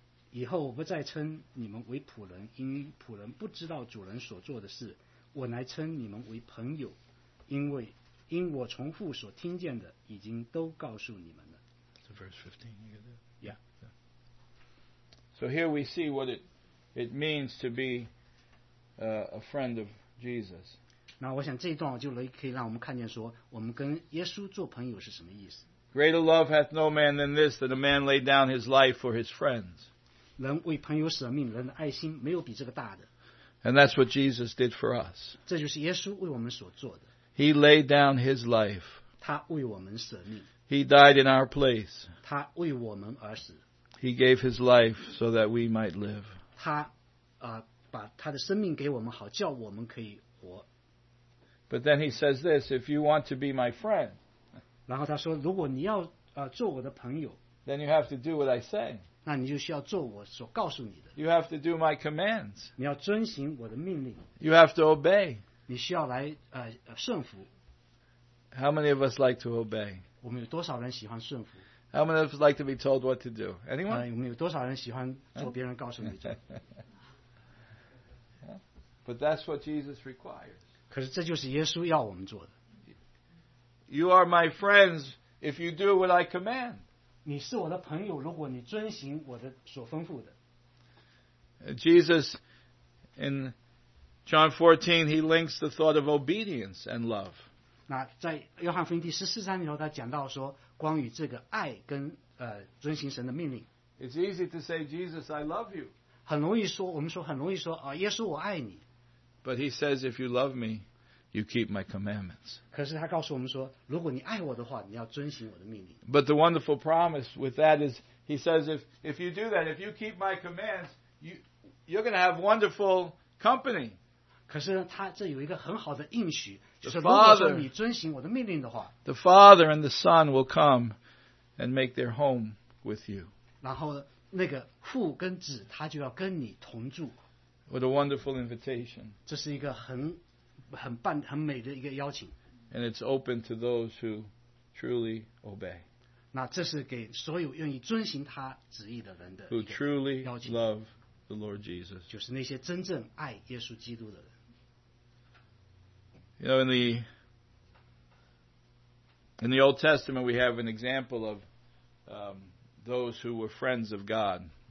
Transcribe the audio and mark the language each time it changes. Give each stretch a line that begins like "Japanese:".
Chinese: 以后我不再称你们为仆人，因仆人不知道主人所做的事，我乃称你们为朋友，因我从父所听见的已经都告诉你们了。
English: So verse 15, you get that? Yeah. So here we see what it means to be a friend of Jesus.
Chinese: 那我想这一段就可以让我们看见说我们跟耶稣做朋友是什么意思。
English: Greater love hath no man than this, that a man lay down his life for his friends.
Chinese: 人为朋友舍命，人的爱心没有比这个大的。
English: And that's what Jesus did for us.
Chinese: 这就是耶稣为我们所做的。
English: He laid down his life.
Chinese: 他为我们舍命。
English: He died in our place.
Chinese: 他为我们而死。
English: He gave his life so that we might live.
Chinese: 他把他的生命给我们好，叫我们可以活。
English: But then he says this, if you want to be my friend,
Chinese: 然后他说，如果你要做我的朋友，
English: then you have to do what I say.
Chinese: 那你就需要做我所告诉你的。
English: You have to do my commands.
Chinese: 你要遵行我的命令。
English: You have to obey.
Chinese: 你需要来顺服。
English: How many of us like to obey?
Chinese: 我们有多少人喜欢顺服？
English: How many of us like to be told what to do? Anyone?
Chinese: 我们有多少人喜欢做别人告诉你做？
English: But that's what Jesus requires.
Chinese: 可是这就是耶稣要我们做的。
English: You are my friends if you do what I command.
Chinese: 你是我的朋友，如果你遵行我的所吩咐的。
English: Jesus in John 14, he links the thought of obedience and love.
Chinese: 那在约翰福音第十四章里头，他讲到说关于这个爱跟遵行神的命令。
English: It's easy to say, Jesus, I love you.
Chinese: 很容易说，我们说很容易说啊，耶稣，我爱你。
English: But he says, if you love me, you keep my commandments.
Chinese: 可是他告诉我们说，如果你爱我的话，你要遵行我的命令。
English: But the wonderful promise with that is, he says, if you do that, if you keep my commands, you're going to have wonderful company.
Chinese: 可是他这有一个很好的应许，就是如果说你遵行我的命令的话
English: ，The Father and the Son will come and make their home with you.
Chinese: 然后那个父跟子他就要跟你同住。
English: What a wonderful invitation!
Chinese: 这是一个很美的一个邀请。
English: And it's open to those who truly obey.
Chinese: 那这是给所有愿意遵行他旨意的人的
English: ，Who truly love. The Lord Jesus.
Chinese: 就是那些真正爱耶稣基督的人。
English: You know, in the Old Testament, we have an example of those who were friends of God.